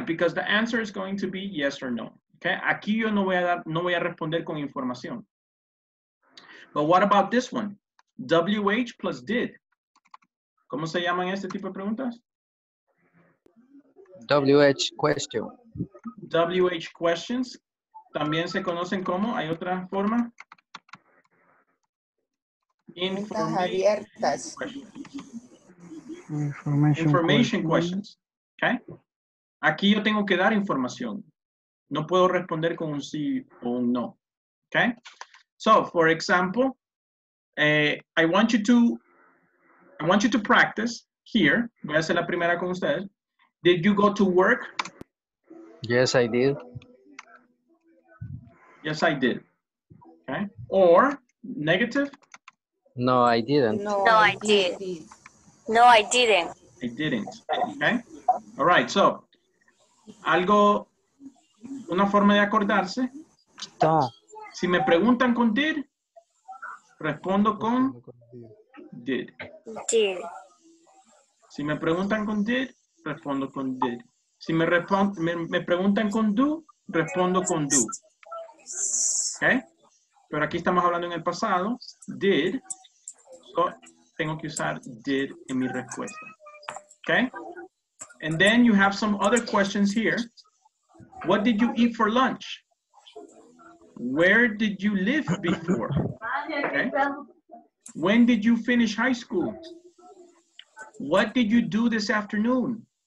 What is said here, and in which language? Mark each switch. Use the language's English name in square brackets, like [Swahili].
[English] Because the answer is going to be yes or no. Okay. [Spanish] Aquí yo no voy a responder con información. [English] But what about this one? WH plus did. [Spanish] ¿Cómo se llaman este tipo de preguntas? [English] WH question. WH questions. [Spanish] También se conocen como, hay otra forma. Abiertas. [English] Information questions. Okay. [Spanish] Aquí yo tengo que dar información. No puedo responder con un sí o un no. [English] Okay. So, for example, I want you to practice here. [Spanish] Voy a hacer la primera con ustedes. [English] Did you go to work? Yes, I did. Yes, I did. Okay. Or negative? No, I didn't. No, I didn't. Okay. All right, so, [Spanish] algo, una forma de acordarse. [English] Stop. [Spanish] Si me preguntan con did, respondo con did. [English] Did. [Spanish] Si me preguntan con did, respondo con did. Si me preguntan con do, respondo con do. [English] Okay? [Spanish] Pero aquí estamos hablando en el pasado. Did. So, tengo que usar did en mi respuesta. [English] Okay? And then you have some other questions here. What did you eat for lunch? Where did you live before? Okay. When did you finish high school? What did you do this afternoon?